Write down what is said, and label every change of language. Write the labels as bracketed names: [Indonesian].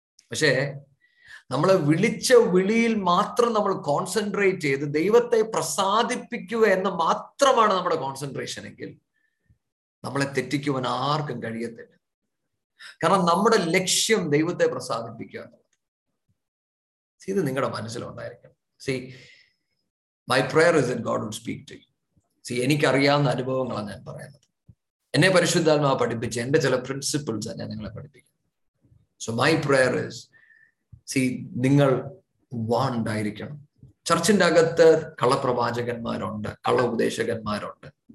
[Malayalam] പക്ഷേ നമ്മളെ വിളിച്ച വിളിയിൽ മാത്രം നമ്മൾ കോൺസെൻട്രേറ്റ് ചെയ്ത് ദൈവത്തെ പ്രസാദിപ്പിക്കുക എന്ന് മാത്രമാണ് നമ്മുടെ കോൺസെൻട്രേഷൻ എങ്കിൽ നമ്മളെ തെറ്റിക്കുവാൻ ആർക്കും കഴിയത്തില്ല. കാരണം നമ്മുടെ ലക്ഷ്യം ദൈവത്തെ പ്രസാദിപ്പിക്കുക എന്നുള്ളത്. ഇത് നിങ്ങളുടെ മനസ്സിലുണ്ടായിരിക്കണം. [English] See, my prayer is that God would speak to you. [Malayalam] See, എനിക്കറിയാവുന്ന അനുഭവങ്ങളാണ് ഞാൻ പറയുന്നത്. എന്നെ പരിശുദ്ധാത്മാ പഠിപ്പിച്ച് എന്റെ ചില പ്രിൻസിപ്പിൾസാണ് ഞാൻ നിങ്ങളെ പഠിപ്പിക്കുന്നത്. [English] so my prayer is [Malayalam] നിങ്ങൾ വാണ്ടായിരിക്കണം. ചർച്ചിന്റെ അകത്ത് കള്ളപ്രവാചകന്മാരുണ്ട്, കള്ള ഉപദേശകന്മാരുണ്ട്.